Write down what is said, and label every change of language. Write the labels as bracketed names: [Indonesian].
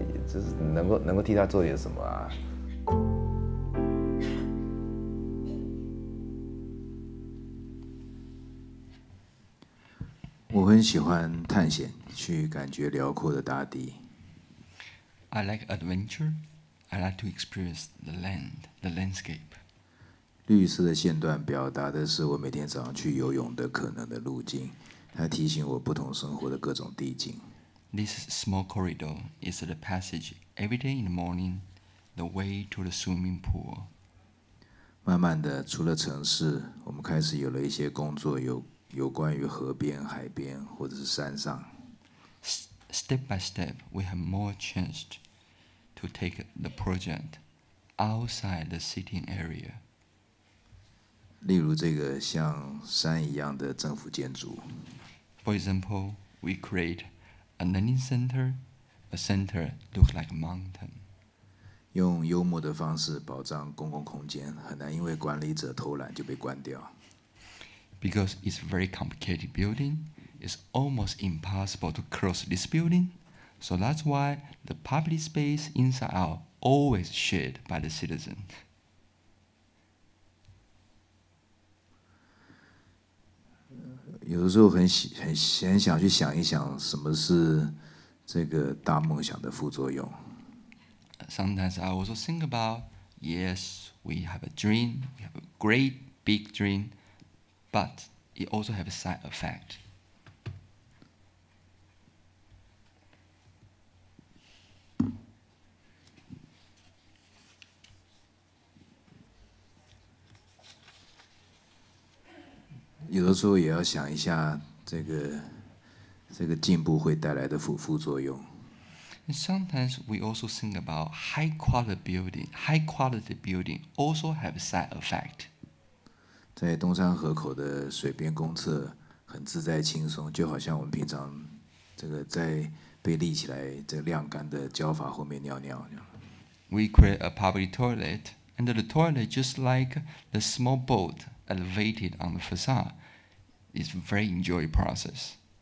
[Chinese] 就是能够替他做点什么啊。我很喜欢探险，去感觉辽阔的大地。 [English] I like adventure. I like to experience the land, the landscape. [Chinese] 绿色的线段表达的是我每天早上去游泳的可能的路径，它提醒我不同生活的各种地景。 [English] This small corridor is the passage every day in the morning, the way to the swimming pool. [Chinese] 慢慢的，除了城市，我们开始有了一些工作，有关于河边、海边或者是山上。 [English] Step by step, we have more chance to take the project outside the city area. [Chinese] 例如这个像山一样的政府建筑。 [English] For example, we create. A learning center, a center looks like a mountain. [Chinese] 用幽默的方式保障公共空间，很难因为管理者偷懒就被关掉。 [English] Because it's a very complicated building, it's almost impossible to close this building. So that's why the public space inside out always shared by the citizen. [Chinese] 有的时候很想去想一想什么是这个大梦想的副作用。 [English] Sometimes I also think about, yes, we have a dream, we have a great big dream, but it also have a side effect. [Chinese] 有的时候也要想一下这个进步会带来的副作用。 [English] And sometimes we also think about high quality building. High quality building also have a side effect. [Chinese] 在东山河口的水边公厕很自在轻松，就好像我们平常这个在被立起来这晾干的胶法后面尿尿。 [English] We create a public toilet, and the toilet just like the small boat elevated on the facade. It's a very enjoyable process.